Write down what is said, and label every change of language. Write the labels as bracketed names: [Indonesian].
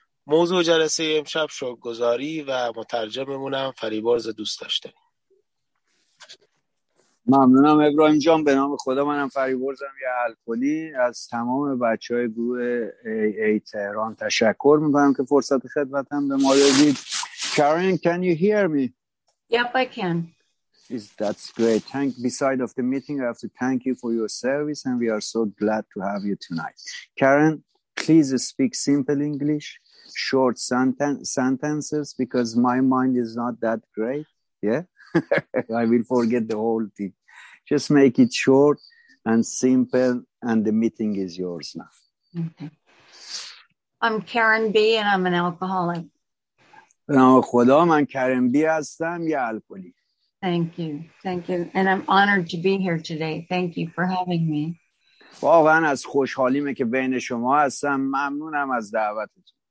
[Persian] موضوع جلسه امشب شکرگزاری و مترجممونم فریبرز دوست داشتنی. ممنونم ابراهیم جان. به نام خدا، منم فریبرزم یه الکلی. از تمام بچه های گروه AA تهران تشکر میکنم که فرصت خدمتم به ما دادید. [English] Karen, can you hear me? Yep, I can. That's great. Thank. Beside of the meeting, I have to thank you for your service and we are so glad to have you tonight. Karen, please speak simple English, short sentences because my mind is not that great. Yeah? I will forget the whole thing. Just make it short and simple, and the meeting is yours now. Okay. I'm Karen B, and I'm an alcoholic. [Persian] No, خدا، من کرن بی هستم، یه الکلی. [English] Thank you. Thank you. And I'm honored to be here today. Thank you for having me. [Persian] واقعا از خوشحالیمه که بین شما هستم. ممنونم از دعوتتون.